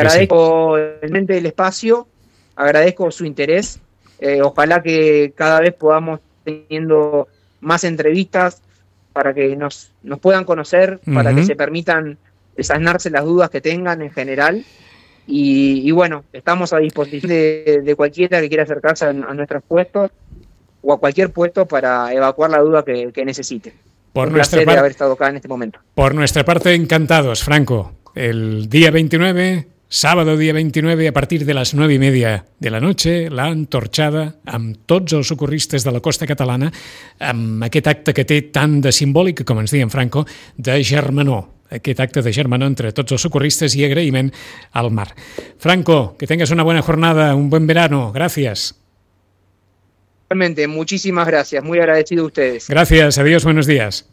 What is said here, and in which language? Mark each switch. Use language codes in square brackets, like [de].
[es] Agradezco realmente el espacio, agradezco su interés, ojalá que cada vez podamos teniendo más entrevistas para que nos puedan conocer, para que se permitan desasnarse las dudas que tengan en general. Y bueno, estamos a disposición de cualquiera que quiera acercarse a nuestros puestos o a cualquier puesto para evacuar la duda que necesite. Por un placer haber estado acá en este momento. Por nuestra parte, encantados, Franco. [ca] El día 29, sábado día 29, a partir de les 9:30 de la noche, l'han torxada amb tots els socorristes de la costa catalana amb aquest acte que té tant de simbòlic, com ens deien Franco, de germanor. Aquest acte de germanor entre tots els socorristes i agraïment al mar. Franco, [es] que tengas una [ca] bona jornada, un bon verano. Gràcies. [es] Realmente, muchísimas gracias. Muy agradecido a ustedes. Gracias, adiós, buenos días.